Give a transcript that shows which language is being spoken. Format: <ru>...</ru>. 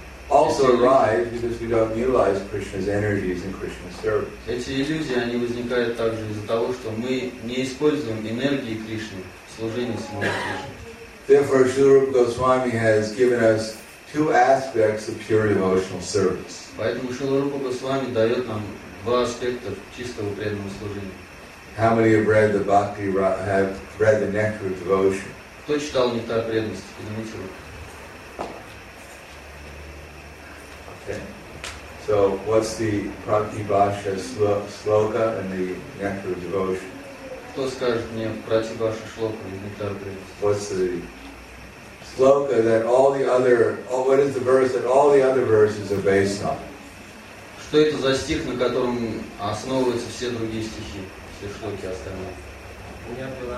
<en>Also arise because we don't utilize Krishna's energies in Krishna's service.</en> <ru>Эти иллюзии они возникают также из-за того, что мы не используем энергии Кришны в служении самому Кришне.</ru> <en>Therefore, Sri Rupa Goswami has given us two aspects of pure devotional service.</en> <ru>Поэтому Шрила Рупа Госвами дает нам два аспекта чистого преданного служения.</ru> <en>How many have read the Bhakti have read the Nectar of Devotion?</en> <ru>Кто читал Нектар преданности? Поднимите руку.</ru> <en>Okay. So, what's the Pratibhasha sloka and the Nectar of Devotion?</en> <ru>Кто скажет мне Pratibhasha sloka и Nectar of Devotion?</ru> <en>What's the sloka that all the other? Oh, what is the verse that all the other verses are based on?</en> <ru>Что это за стих, на котором основываются все другие стихи, все шлоки остальные?</ru>